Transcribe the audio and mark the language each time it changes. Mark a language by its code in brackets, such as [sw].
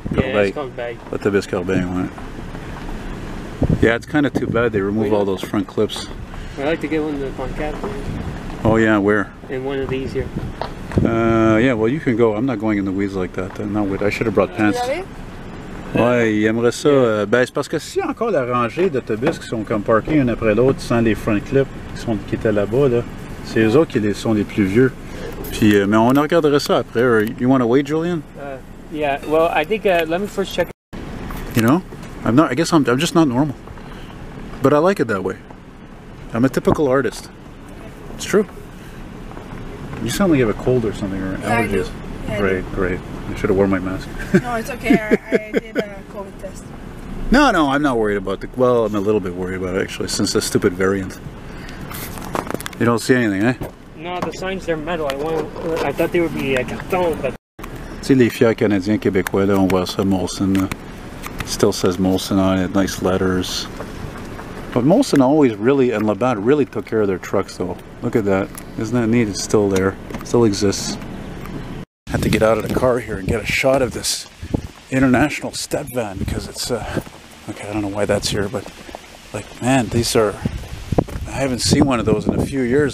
[en] it's Corbeil. But the Corbeil one. Yeah, it's kind of too bad they remove all those front clips. I like to get one of the front cabs. Oh, yeah, where? In one of these here. Yeah, well, you can go. I'm not going in the weeds like that. I should have brought pants. [fr] Ouais, il aimerait ça. Ben, c'est parce que s'il y a encore la rangée d'autobus qui sont comme parkés un après l'autre sans les front clips qui étaient là-bas, là, c'est eux autres qui sont les plus vieux. Puis, mais on regarderait ça après. [en] You want to wait, [fr] Julian? [en] Yeah, well, I think, let me first check. You know, I guess I'm just not normal. But I like it that way. I'm a typical artist. It's true. You sound like you have a cold or something, or allergies. Yeah, I do. Yeah, great. I should have worn my mask. No, it's okay. I did a COVID test. No, I'm not worried about the... Well, I'm a little bit worried about it, actually, since the stupid variant. You don't see anything, eh? No, the signs, they're metal. I thought they would be carton, but... [fr] Tu sais, les fiers canadiens québécois, là, on voit ça, Molson. [en] Still says Molson on it, nice letters. But Molson always really, and Labatt really took care of their trucks, though. Look at that. Isn't that neat? It's still there. Still exists. Had to get out of the car here and get a shot of this international step van because it's okay, I don't know why that's here, but like, man, I haven't seen one of those in a few years.